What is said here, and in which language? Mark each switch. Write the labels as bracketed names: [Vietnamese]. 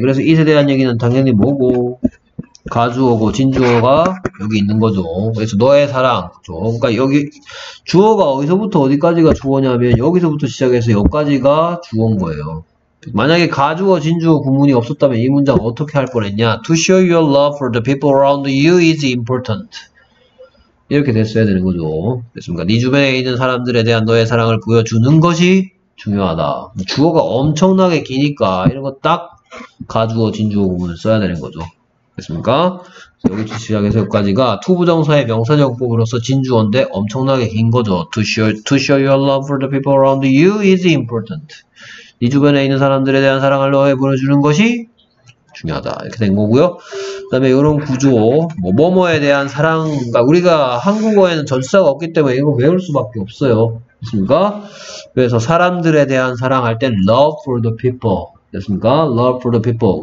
[Korean] 그래서 it에 대한 얘기는 당연히 뭐고 가주어고 진주어가 여기 있는 거죠. 그래서 너의 사랑. 그렇죠? 그러니까 여기 주어가 어디서부터 어디까지가 주어냐면 여기서부터 시작해서 여기까지가 주어인 거예요. 만약에 가주어 진주어 구문이 없었다면 이 문장 어떻게 할 뻔했냐. [English] To show your love for the people around you is important. [Korean] 이렇게 됐어야 되는 거죠. 됐습니까? 네 주변에 있는 사람들에 대한 너의 사랑을 보여주는 것이 중요하다. 주어가 엄청나게 기니까 이런 거 딱 가주어 진주어 구문을 써야 되는 거죠. 됐습니까? 여기서 시작해서 여기까지가 to 부정사의 명사적법으로서 진주어인데 엄청나게 긴 거죠. [English] To show your love for the people around you is important. [Korean] 네 주변에 있는 사람들에 대한 사랑을 너에게 보여주는 것이 중요하다. 이렇게 된 거고요. 그 다음에 이런 구조, 뭐뭐에 대한 사랑, 그러니까 우리가 한국어에는 전치사가 없기 때문에 이거 외울 수밖에 없어요. 됐습니까? 그래서 사람들에 대한 사랑할 땐 [English] love for the people. [Korean] 됐습니까? love for the people.